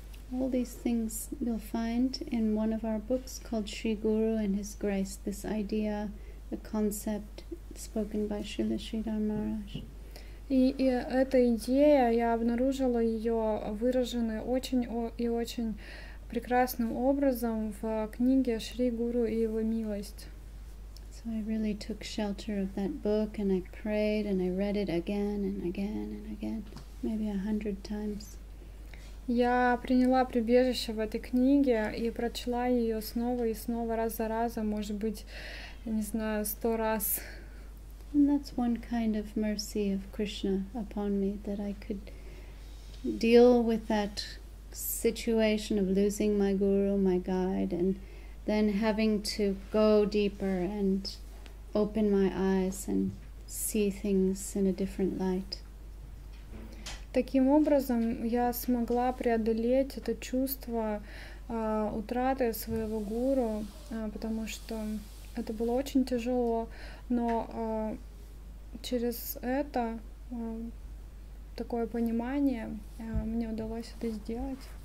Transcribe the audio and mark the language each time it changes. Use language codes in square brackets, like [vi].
[en] All these things you'll find in one of our books called Sri Guru and His Grace, this idea, the concept spoken by Srila Sridhar Maharaj. [ru] И эта идея, я обнаружила ее выраженной очень и очень прекрасным образом в книге «Шри Гуру и его милость». [en] So I really took shelter of that book and I prayed and I read it again and again and again, maybe 100 times. [ru] Я приняла прибежище в этой книге и прочла ее снова и снова, раз за разом, может быть, не знаю, 100 раз. [en] And that's one kind of mercy of Krishna upon me, that I could deal with that situation of losing my guru, my guide, and then having to go deeper and open my eyes and see things in a different light. [ru] Таким образом, я смогла преодолеть это чувство утраты своего гуру, потому что это было очень тяжело, но через это такое понимание мне удалось это сделать.